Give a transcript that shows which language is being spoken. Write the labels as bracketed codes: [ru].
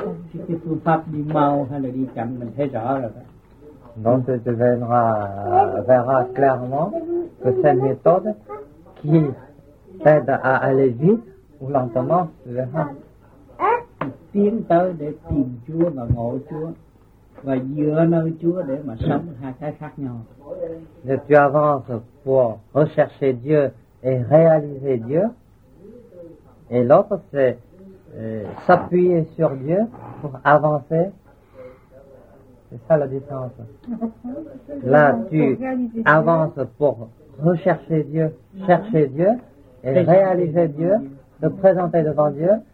[fr] Si tu te trouves pas plus mal, on le dit quand même déjà. Donc tu verras clairement que cette méthode qui t'aide à aller vite ou lentement, tu verras. [vi] Tiến tới để tìm Chúa và ngộ Chúa và dựa nơi Chúa để mà sống hai cái khác nhau. [fr] Là tu avances pour rechercher Dieu et réaliser Dieu. Et l'autre c'est s'appuyer sur Dieu pour avancer. C'est ça la différence. Là tu avances pour rechercher Dieu, chercher Dieu et réaliser Dieu, te présenter devant Dieu.